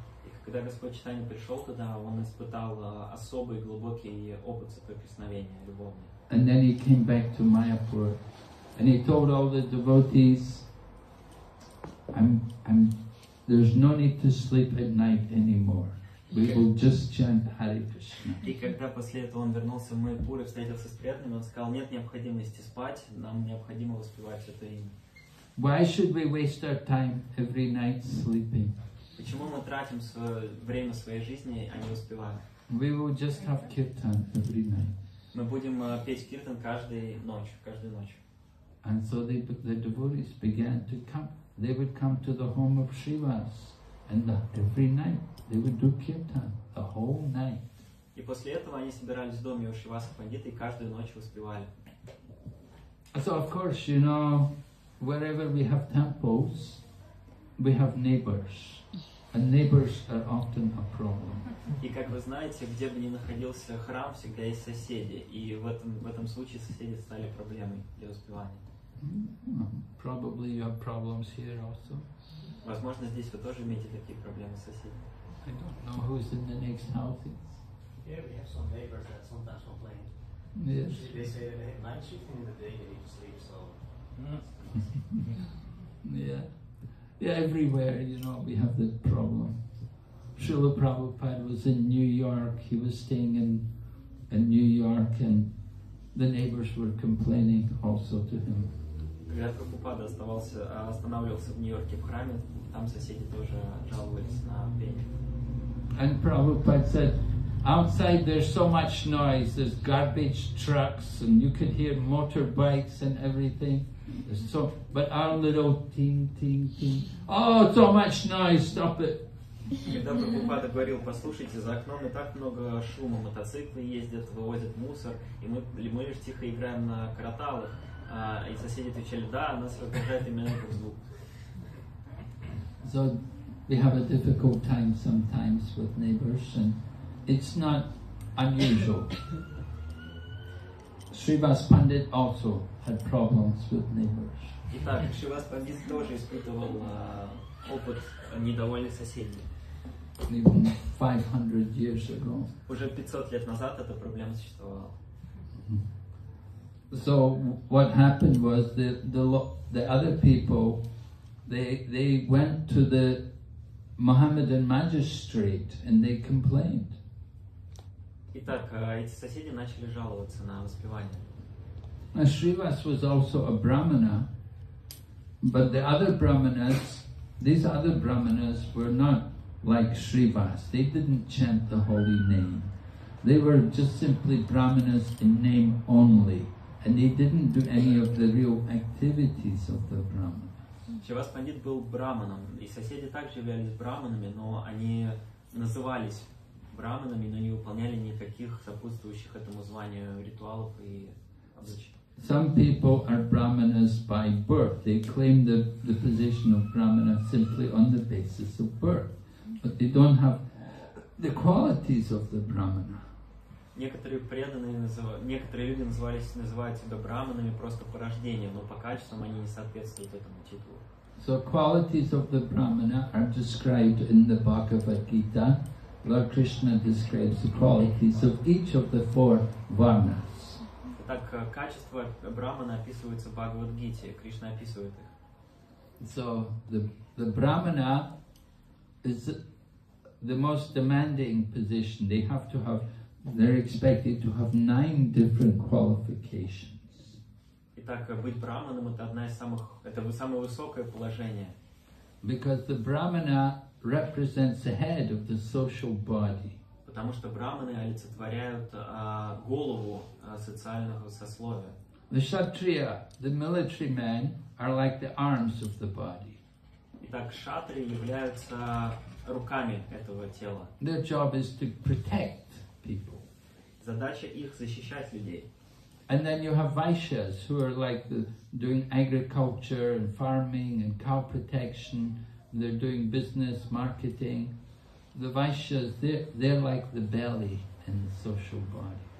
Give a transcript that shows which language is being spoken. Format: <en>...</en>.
<ru>И когда Господь Чайтанья пришел туда, он испытал особый глубокий опыт соприкосновения любовный.</ru> <en>And then he came back to Mayapur, and he told all the devotees, there's no need to sleep at night anymore. We will just chant Hare Krishna.</en> <ru>И когда после этого он вернулся в Майпур и встретился с преданными, он сказал, нет необходимости спать, нам необходимо воспевать это имя.</ru> <en>Why should we waste our time every night sleeping?</en> <ru>Почему мы тратим свое время своей жизни, а не воспеваем?</ru> <en>We will just have kirtan every night.</en> <ru>Мы будем петь киртан каждую ночь.</ru> <en>And so the devotees began to come. They would come to the home of Shivas, and every night they would do kirtan the whole night.</en> <ru>И после этого они собирались в доме у Шиваса Пандита и каждую ночь воспевали.</ru> <en>So of course, you know, wherever we have temples, we have neighbors, and neighbors are often a problem.</en> <ru>И как вы знаете, где бы ни находился храм, всегда есть соседи, и в этом случае соседи стали проблемой для воспевания.</ru> <en>Probably you have problems here also.</en> <ru>Возможно, здесь вы тоже имеете такие проблемы с соседями.</ru> <en>I don't know who's in the next house. Yeah, we have some neighbors that sometimes complain. Yes. They say that they have night shift in the day they need to sleep, so. Yeah. Yeah, everywhere, you know, we have this problem. Srila Prabhupada was in New York. He was staying in New York, and the neighbors were complaining also to him.</en> <ru>Когда Прабхупада останавливался в Нью-Йорке в храме, там соседи тоже жаловались на пение.</ru> <en>And Prabhupada said, outside there's so much noise, there's garbage trucks, and you could hear motorbikes and everything. But our little ting, ting, ting. Oh, so much noise, stop it.</en> <ru>Когда Прабхупада говорил, послушайте, за окном и так много шума, мотоциклы ездят, вывозят мусор, и мы лишь тихо играем на караталах. И соседи отвечали, да, нас раздражает именно этот звук.</ru> <en>So we have a difficult time sometimes with neighbors, and it's not unusual. Shrivas Pandit also had problems with neighbors.</en> <ru>Итак, Шривас Пандит тоже испытывал опыт недовольных соседей.</ru> <en>Even 500 years ago.</en> <ru>Уже 500 лет назад эта проблема существовала.</ru> <en>So what happened was the other people, they went to the Mohammedan magistrate and they complained.</en> <ru>Итак, эти соседи начали жаловаться на воспевание.</ru> <en>Now, Shrivas was also a brahmana, but the other brahmanas, these other brahmanas were not like Shrivas. They didn't chant the holy name. They were just simply brahmanas in name only. And they didn't do any of the real activities of the brahmana.</en> <ru>Shrivas Pandit был брахманом, и соседи также являлись брахманами, но они назывались брахманами, но не выполняли никаких сопутствующих этому званию ритуалов и обычаев.</ru> <en>Some people are brahmanas by birth. They claim the position of brahmana simply on the basis of birth, but they don't have the qualities of the brahmana.</en> <ru>Некоторые преданные некоторые люди называют себя брахманами просто по рождению, но по качествам они не соответствуют этому титулу.</ru> <en>So qualities of the brahmana are described in the Bhagavad Gita. Lord Krishna describes the qualities of each of the four varnas.</en> <ru>Так качества брахмана описываются в Бхагавад-гите. Кришна описывает их.</ru> <en>So the brahmana is the most demanding position. They have to have, they're expected to have 9 different qualifications.</en> <ru>Итак, быть брахманом — это одна из самых, это самое высокое положение.</ru> <en>Because the brahmana represents the head of the social body.</en> <ru>Потому что брахманы олицетворяют голову социального сословия.</ru> <en>The kshatriya, the military men, are like the arms of the body.</en> <ru>Итак, кшатрии являются руками этого тела.</ru> <en>Their job is to protect people.</en> <ru>Задача их — защищать людей.</ru> <en>And then you have vaishyas, who are like the, doing agriculture and farming and cow protection. They're doing business, marketing. The vaishyas, they're like the belly in the social body.</en>